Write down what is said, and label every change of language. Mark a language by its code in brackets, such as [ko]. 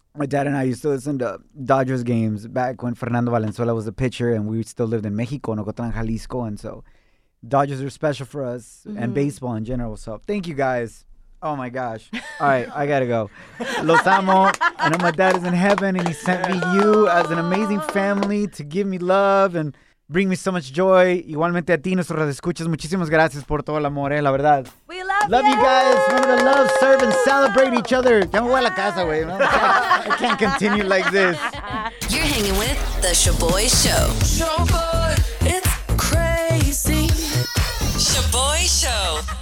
[en] My dad and I used to listen to Dodgers games back when Fernando Valenzuela was a pitcher, and we still lived in Mexico, in Ocotlán, Jalisco, and so Dodgers are special for us and baseball in general. So thank you, guys. Oh, my gosh. All right, I got to go. [es] Los amo. [en] I know my dad is in heaven, and he sent me you as an amazing family to give me love and bring me so much joy. [es] Igualmente a ti, nuestros radioescuchas. Muchísimas gracias por todo el amor, la verdad. [en] We love you. Love you guys. Remember to love, serve, and celebrate each other. [es] Ya me voy a la casa, güey. [en] I can't continue like this. You're hanging with The Shaboy Show. Shaboy, it's crazy. Shaboy Show.